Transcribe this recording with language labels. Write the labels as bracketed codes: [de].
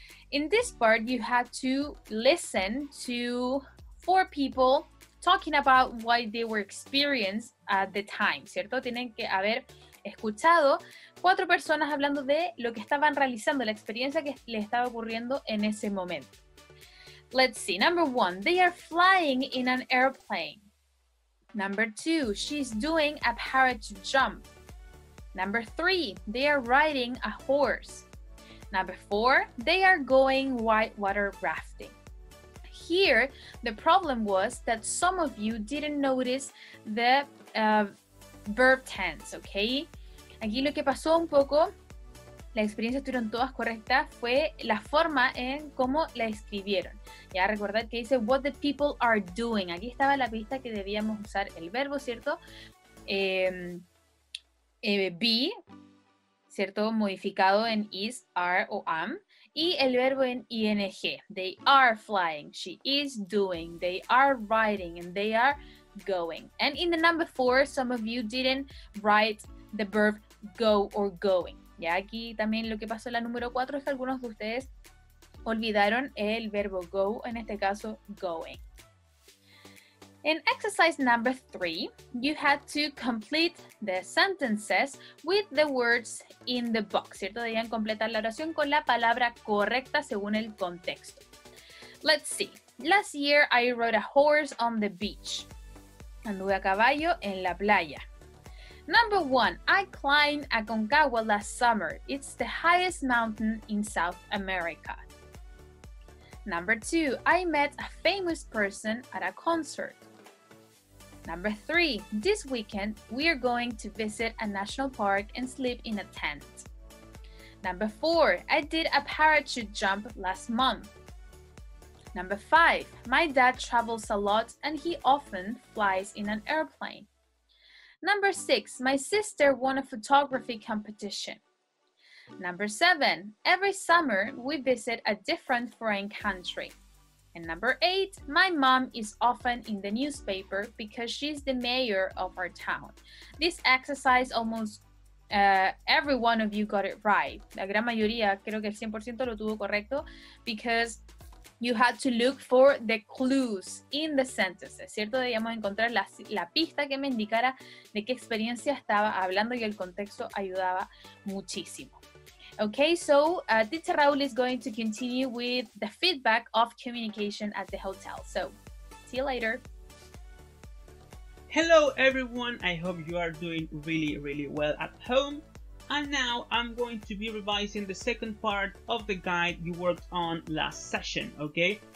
[en] In this part, you had to listen to 4 people talking about what they were experienced at the time, ¿cierto? [es] Tienen que haber escuchado 4 personas hablando de lo que estaban realizando, la experiencia que les estaba ocurriendo en ese momento. [en] Let's see. Number 1, they are flying in an airplane. Number 2, she's doing a parachute jump. Number 3, they are riding a horse. Number 4, they are going whitewater rafting. Here, the problem was that some of you didn't notice the verb tense, okay? [es] Aquí lo que pasó un poco, la experiencia estuvieron todas correctas, fue la forma en cómo la escribieron. Ya recordad que dice, [en] what the people are doing. [es] Aquí estaba la pista que debíamos usar el verbo, ¿cierto? Be, ¿cierto? Modificado en is, are o am. Y el verbo en ing. [en] They are flying. She is doing. They are riding. And they are going. And in the number 4, some of you didn't write the verb go or going. [es] Ya aquí también lo que pasó en la número 4 es que algunos de ustedes olvidaron el verbo go, en este caso going. [en] In exercise number 3, you had to complete the sentences with the words in the box, ¿cierto? [es] Debían completar la oración con la palabra correcta según el contexto. [en] Let's see. Last year I rode a horse on the beach. [es] Anduve a caballo en la playa. [en] Number 1, I climbed Aconcagua last summer. It's the highest mountain in South America. Number 2, I met a famous person at a concert. Number 3, this weekend we are going to visit a national park and sleep in a tent. Number 4, I did a parachute jump last month. Number 5, my dad travels a lot and he often flies in an airplane. Number 6, my sister won a photography competition. Number 7, every summer we visit a different foreign country. And number 8, my mom is often in the newspaper because she's the mayor of our town. This exercise almost every one of you got it right. [es] La gran mayoría, creo que el 100% lo tuvo correcto, [en] because you had to look for the clues in the sentences, ¿cierto? [es] Debíamos encontrar la pista que me indicara de qué experiencia estaba hablando y el contexto ayudaba muchísimo. [en] Okay, so teacher Raúl is going to continue with the feedback of communication at the hotel. So, see you later. Hello everyone, I hope you are doing really, really well at home. And now I'm going to be revising the second part of the guide you worked on last session, okay?